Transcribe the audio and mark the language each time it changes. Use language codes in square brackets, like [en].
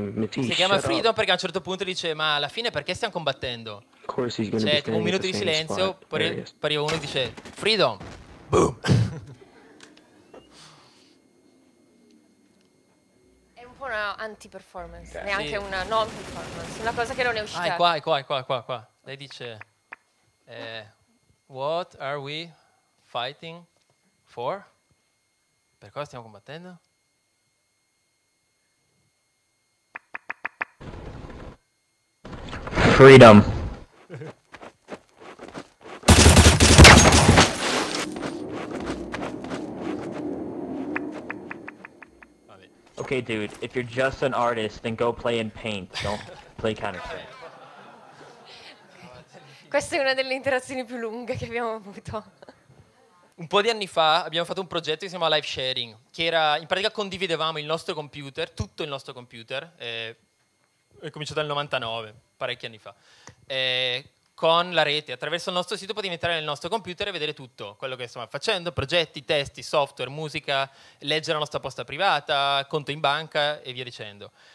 [it] Si chiama Freedom perché a un certo punto dice ma alla fine perché stiamo combattendo, c'è un minuto di silenzio, poi arriva uno e dice Freedom, boom. È un po' una anti-performance, neanche una non-performance, una cosa che non è uscita. Ah, è qua. Lei dice [en] what are we fighting for? [it] Per cosa stiamo combattendo? [en] Freedom. Okay, dude, if you're just an artist, then go play in paint. Don't play Counter-Strike. [it] Questa è una delle interazioni più lunghe che abbiamo avuto. Un po' di anni fa abbiamo fatto un progetto che si chiama Live Sharing, che era, in pratica condividevamo il nostro computer, tutto il nostro computer, è cominciato nel 99, parecchi anni fa, con la rete, attraverso il nostro sito potevi entrare nel nostro computer e vedere tutto, quello che stiamo facendo, progetti, testi, software, musica, leggere la nostra posta privata, conto in banca e via dicendo.